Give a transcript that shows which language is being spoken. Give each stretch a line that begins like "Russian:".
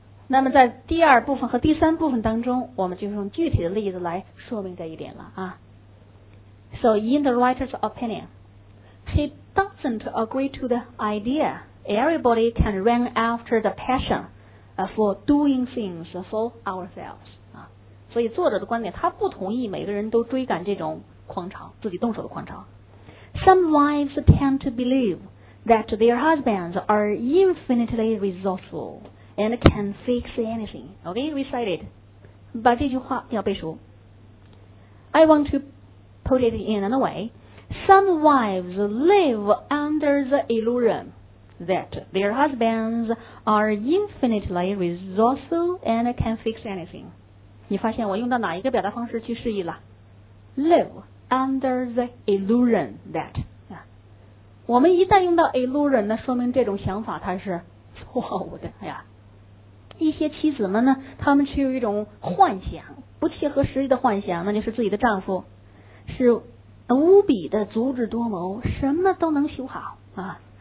Chinese: 那么在第二部分和第三部分当中，我们就用具体的例子来说明这一点了啊。
English: So in the writer's opinion, he doesn't agree to the idea. Everybody can run after the passion for doing things for ourselves.
Chinese: 啊，所以作者的观点，他不同意每个人都追赶这种狂潮，自己动手的狂潮。
English: Some wives tend to believe that their husbands are infinitely resourceful and can fix anything. Okay, recite it.
Chinese: 把这句话要背熟。
English: I want to put it in another way. Some wives live under the illusion that their husbands are infinitely resourceful and can fix anything.
Chinese: 你发现我用到哪一个表达方式去示意了？ Live. Under the illusion that、啊、我们一旦用到 illusion， 那说明这种想法它是错误的、哎、呀，一些妻子们呢，她们却有一种幻想，不切合实际的幻想，那就是自己的丈夫是无比的足智多谋，什么都能修好啊。